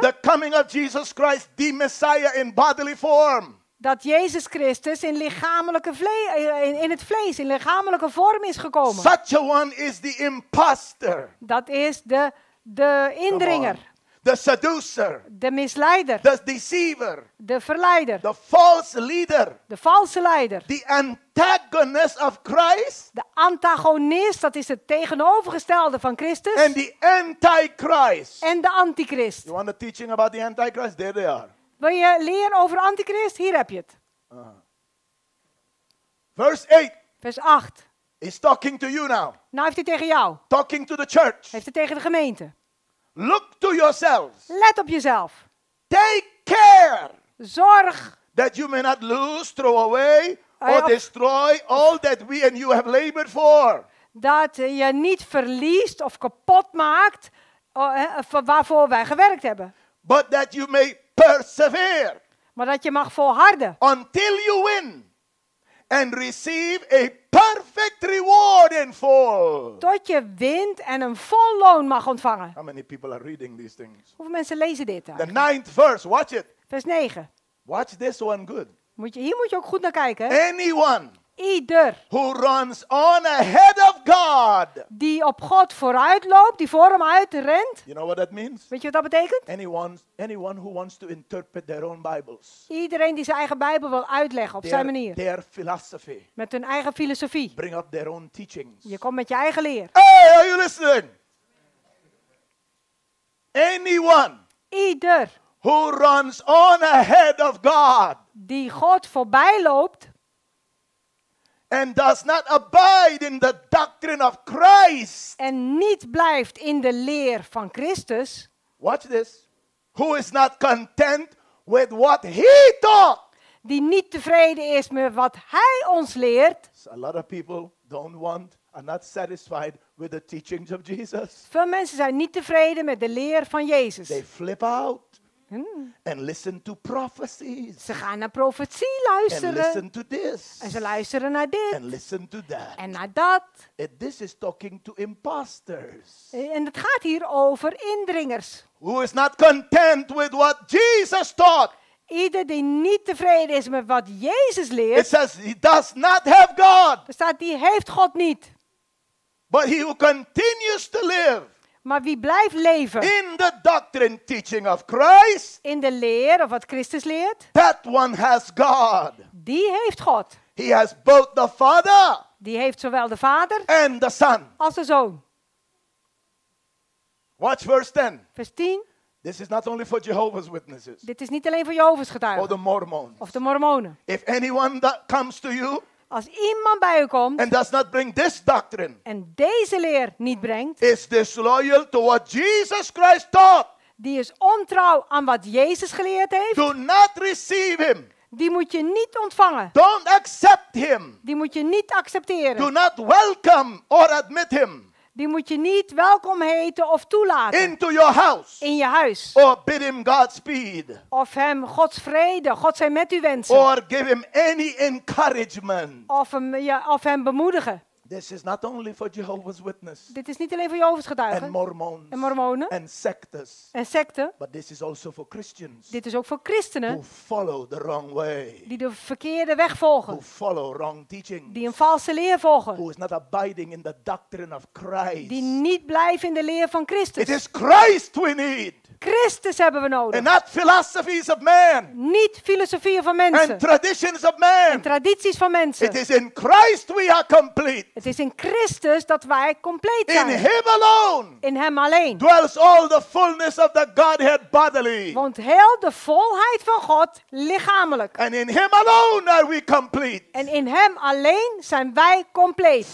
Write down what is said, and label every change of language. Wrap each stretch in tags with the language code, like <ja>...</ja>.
<en>The coming of Jesus Christ, the Messiah in bodily form.</en> <nl>Dat Jezus Christus in lichamelijke in het vlees, in lichamelijke vorm is gekomen.</nl> <en>Such a one is the imposter.</en> <nl>Dat is de indringer.</nl> <en>The seducer.</en> <nl>De misleider.</nl> <en>The deceiver.</en> <nl>De verleider.</nl> <en>The false leader.</en> <nl>De valse leider.</nl> <en>The antagonist of Christ.</en> <nl>De antagonist, dat is het tegenovergestelde van Christus.</nl> <en>And the antichrist.</en> <nl>En de antichrist.</nl> <en>You want a teaching about the antichrist? There they are.</en> <nl>Wil je leren over antichrist? Hier heb je het. Vers 8.</nl> <en>He's talking to you now.</en> <nl>Nou heeft hij tegen jou.</nl> <en>Talking to the church.</en> <nl>Heeft hij tegen de gemeente.</nl> <en>Look to yourselves.</en> <nl>Let op jezelf.</nl> <en>Take care.</en> <nl>Zorg.</nl> <en>That you may not lose, throw away or destroy all that we and you have labored for.</en> <nl>Dat je niet verliest of kapot maakt waarvoor wij gewerkt hebben.</nl> <en>But that you may persevere.</en> <nl>Maar dat je mag volharden.</nl> <en>Until you win. And receive a perfect reward in full.</en> <nl>Tot je wint en een vol loon mag ontvangen.</nl> <en>How many people are reading these things?</en> <nl>Hoeveel mensen lezen dit eigenlijk?</nl> <en>The ninth verse, watch it.</en> <nl>Vers 9.</nl> <en>Watch this one good.</en> <nl>Hier moet je ook goed naar kijken.</nl> <en>Anyone.</en> <nl>Ieder.</nl> <en>Who runs on ahead of God.</en> <nl>Die op God vooruit loopt, die voor hem uit rent.</nl> <en>You know what that means?</en> <nl>Weet je wat dat betekent?</nl> <en>Anyone who wants to interpret their own Bibles.</en> <nl>Iedereen die zijn eigen Bijbel wil uitleggen op zijn manier.</nl> <en>Their philosophy.</en> <nl>Met hun eigen filosofie.</nl> <en>Bring up their own teachings.</en> <nl>Je komt met je eigen leer.</nl> <en>Hey, are you listening? Anyone.</en> <nl>Ieder.</nl> <en>Who runs on ahead of God.</en> <nl>Die God voorbij loopt.</nl> <en>And does not abide in the doctrine of Christ.</en> <nl>En niet blijft in de leer van Christus.</nl> <en>Watch this. Who is not content with what he taught.</en> <nl>Die niet tevreden is met wat hij ons leert.</nl> <en>So a lot of people don't want, are not satisfied with the teachings of Jesus.</en> <nl>Veel mensen zijn niet tevreden met de leer van Jezus.</nl> <en>They flip out. And listen to prophecies.</en> <nl>Ze gaan naar profetie luisteren.</nl> <en>And listen to this.</en> <nl>En ze luisteren naar dit.</nl> <en>And listen to that.</en> <nl>En naar dat.</nl> <en>And this is talking to imposters.</en> <nl>En het gaat hier over indringers.</nl> <en>Who is not content with what Jesus taught.</en> <nl>Ieder die niet tevreden is met wat Jezus leert.</nl> <en>It says he does not have God.</en> <nl>Staat die heeft God niet.</nl> <en>But he who continues to live.</en> <nl>Maar wie blijft leven?</nl> <en>In the doctrine teaching of Christ.</en> <nl>In de leer of wat Christus leert.</nl> <en>That one has God.</en> <nl>Die heeft God.</nl> <en>He has both the Father.</en> <nl>Die heeft zowel de Vader.</nl> <en>And the Son.</en> <nl>Als de Zoon.</nl> <en>Watch verse 10.</en> <nl>Vers 10.</nl> <en>This is not only for Jehovah's Witnesses.</en> <nl>Dit is niet alleen voor Jehovah's getuigen.</nl> <en>Or the Mormons.</en> <nl>Of de Mormonen.</nl> <en>If anyone that comes to you.</en> <nl>Als iemand bij u komt.</nl> <en>And does not bring this doctrine.</en> <nl>En deze leer niet brengt.</nl> <en>Is disloyal to what Jesus Christ taught.</en> <nl>Die is ontrouw aan wat Jezus geleerd heeft.</nl> <en>Do not receive him.</en> <nl>Die moet je niet ontvangen.</nl> <en>Don't accept him.</en> <nl>Die moet je niet accepteren.</nl> <en>Do not welcome or admit him.</en> <nl>Die moet je niet welkom heten of toelaten.</nl> <en>Into your house.</en> <nl>In je huis.</nl> <en>Or bid him Godspeed.</en> <nl>Of hem Gods vrede, God zij met u wensen.</nl> <en>Or give him any encouragement.</en> <nl>Of hem, ja, of hem bemoedigen.</nl> <en>This is not only for Jehovah's Witness.</en> <nl>Dit is niet alleen voor Jehovah's getuigen.</nl> <en>And Mormons.</en> <nl>En Mormonen.</nl> <en>And sectes.</en> <nl>En secten.</nl> <en>But this is also for Christians.</en> <nl>Dit is ook voor christenen.</nl> <en>Who follow the wrong way.</en> <nl>Die de verkeerde weg volgen.</nl> <en>Who follow wrong teachings.</en> <nl>Die een valse leer volgen.</nl> <en>Who is not abiding in the doctrine of Christ.</en> <nl>Die niet blijven in de leer van Christus.</nl> <en>It is Christ we need.</en> <nl>Christus hebben we nodig.</nl> <en>And not philosophies of man.</en> <nl>Niet filosofieën van mensen.</nl> <en>And traditions of man.</en> <nl>En tradities van mensen.</nl> <en>It is in Christ we are complete.</en> <nl>Het is in Christus dat wij compleet zijn.</nl> <en>In him alone.</en> <nl>In hem alleen.</nl> <en>Dwells all the fullness of the Godhead bodily.</en> <nl>Woont heel de volheid van God lichamelijk.</nl> <en>And in him alone are we complete.</en> <nl>En in hem alleen zijn wij compleet.</nl>